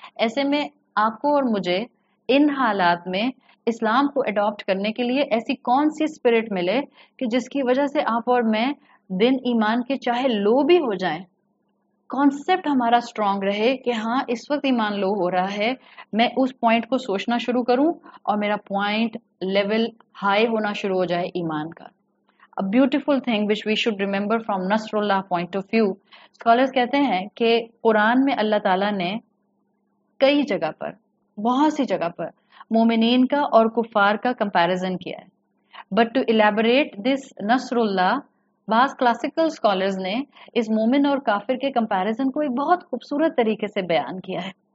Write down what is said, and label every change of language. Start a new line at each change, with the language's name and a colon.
Urdu: ایسے میں آپ کو اور مجھے ان حالات میں اسلام کو اڈاپٹ کرنے کے لیے ایسی کون سی اسپرٹ ملے کہ جس کی وجہ سے آپ اور میں دن ایمان کے چاہے لو بھی ہو جائیں, کانسیپٹ ہمارا اسٹرانگ رہے کہ ہاں اس وقت ایمان لو ہو رہا ہے, میں اس پوائنٹ کو سوچنا شروع کروں اور میرا پوائنٹ لیول ہائی ہونا شروع ہو جائے ایمان کا.
English: A beautiful thing which we should remember from Nasrullah point of view.
Urdu: Scholars کہتے ہیں کہ قرآن میں اللہ تعالیٰ نے کئی جگہ پر, بہت سی جگہ پر مومنین کا اور کفار کا comparison کیا ہے.
English: But to elaborate this Nasrullah,
Urdu: بعض کلاسیکل اسکالرز نے اس مومن اور کافر کے کمپیریزن کو ایک بہت خوبصورت طریقے سے بیان کیا ہے.